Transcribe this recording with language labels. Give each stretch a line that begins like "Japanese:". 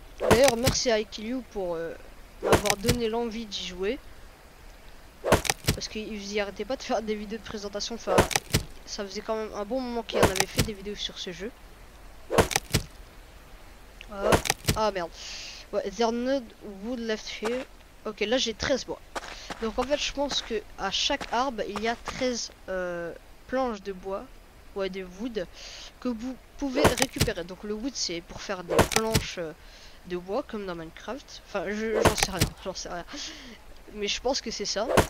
French: D'ailleurs, merci à Ikiliu pour m'avoir donné l'envie d'y jouer. Parce qu'il n'y arrêtait pas de faire des vidéos de présentation. Enfin, ça faisait quand même un bon moment qu'il en avait fait des vidéos sur ce jeu. Ah merde.
English: Ouais, there's no wood left here.
French: Ok, là j'ai 13 bois. Donc en fait, je pense que à chaque arbre, il y a 13 planches de bois. Ouais, de wood. Que vous pouvez récupérer. Donc le wood, c'est pour faire des planches de bois, comme dans Minecraft. Enfin, j'en sais rien. J'en sais rien. Mais je pense que c'est ça.